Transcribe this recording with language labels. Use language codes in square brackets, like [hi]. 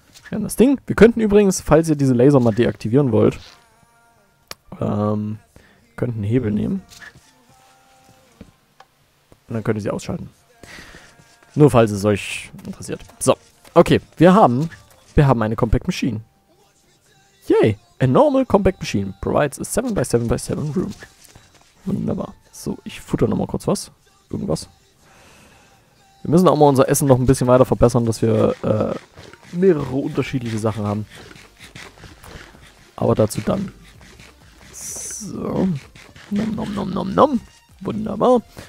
[de] Das Ding. Wir könnten übrigens, falls ihr diese Laser mal deaktivieren wollt, könnten einen Hebel nehmen. Und dann könnt ihr sie ausschalten. Nur falls es euch interessiert. So. Okay. Wir haben eine Compact Machine. Yay. [en] A normal Compact Machine provides a 7x7x7 room. [de] Wunderbar. So, ich futter nochmal kurz was. Irgendwas. Wir müssen auch mal unser Essen noch ein bisschen weiter verbessern, dass wir, mehrere unterschiedliche Sachen haben. Aber dazu dann. So. Nom nom nom nom nom. Wunderbar.